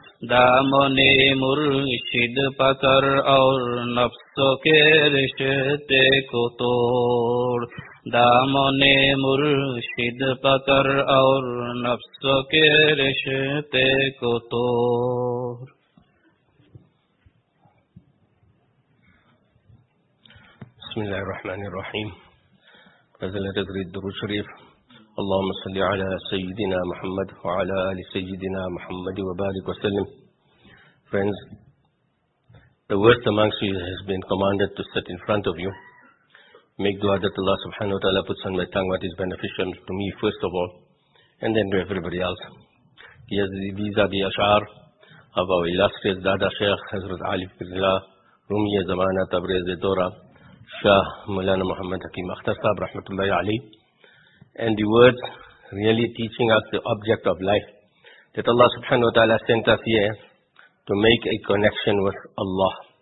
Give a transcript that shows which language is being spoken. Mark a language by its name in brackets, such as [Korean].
[Urdu] دامن مرشد پکڑ اور نفس کے رشتے کو توڑ، دامن مرشد پکڑ اور نفس کے رشتے کو توڑ۔ [Arabic] بسم الله الرحمن الرحيم، بذل تدريد دروس شريف، اللهم صل على سيدنا محمد وعلى آل سيدنا محمد وبارك وسلم. [English] Friends, the worst amongst you has been commanded to sit in front of you. Make dua that Allah subhanahu wa ta'ala puts on my tongue what is beneficial to me first of all, and then to everybody else. These are the ashar of our illustrious Dada Sheikh Hazrat Ali Fizillah Rumi Zamana Tabriz Dora Shah Mulana Muhammad Hakim Akhtar Sahib Rahmatullahi Ali, and the words really teaching us the object of life that Allah subhanahu wa ta'ala sent us here to make a connection with Allah.